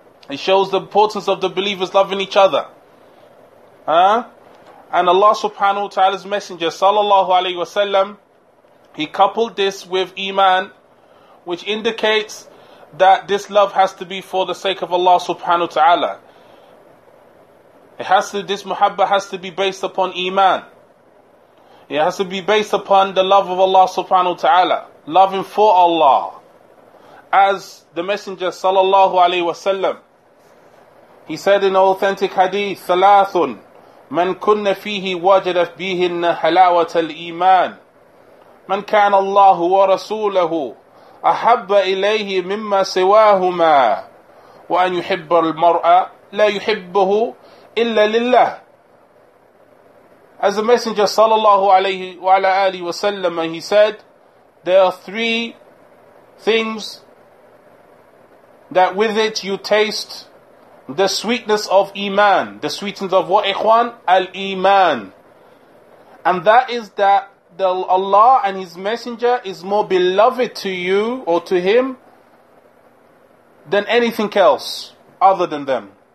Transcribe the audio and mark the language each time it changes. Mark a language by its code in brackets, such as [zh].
[en] It shows the importance of the believers loving each other. And Allah subhanahu wa ta'ala's messenger, sallallahu alayhi wa sallam, he coupled this with Iman, which indicates that this love has to be for the sake of Allah subhanahu wa ta'ala. This muhabba has to be based upon Iman. It has to be based upon the love of Allah subhanahu wa ta'ala, loving for Allah. As the Messenger sallallahu alayhi wa sallam, he said in authentic hadith, [ar] ثَلَاثٌ مَنْ كُنَّ فِيهِ وَجَدَتْ بِهِنَّ حَلَاوَةَ الْإِيمَانِ مَنْ كَانَ اللَّهُ وَرَسُولَهُ أَحَبَّ إِلَيْهِ مِمَّا سِوَاهُمَا وَأَنْ يُحِبَّ الْمَرْأَ لَا يُحِبُّهُ إِلَّا لِلَّهِ. [en] As the Messenger sallallahu alayhi wa ala alihi wa sallam, he said, there are three things that with it you taste the sweetness of Iman. The sweetness of what, ikhwan? Al-Iman. And that is that Allah and His Messenger is more beloved to you or to Him than anything else other than them.